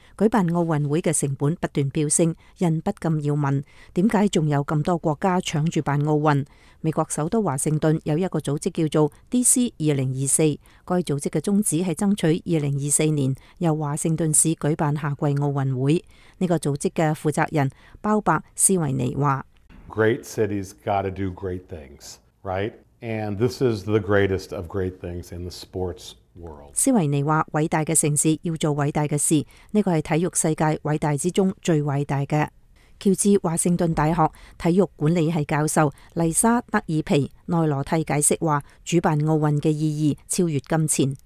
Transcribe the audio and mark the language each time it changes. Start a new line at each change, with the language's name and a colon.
Chinese: 举办奥运会的成本不断飙升，人不禁要问，为什么还有这么多国家抢着办奥运？美国首都华盛顿有一个组织叫做 DC2024， 该组织的宗旨是争取2024年由华盛顿市举办夏季奥运会。这个组织的负责人包括斯维尼说，
English: Great cities got to do great things, right? And this is the greatest of great things in the sports world.
Chinese: 斯维尼说，伟大的城市要做伟大的事，这个是体育世界伟大之中最伟大的。乔治华盛顿大学体育管理系教授丽莎德尔皮内罗蒂解释说，主办奥运的意义超越金钱。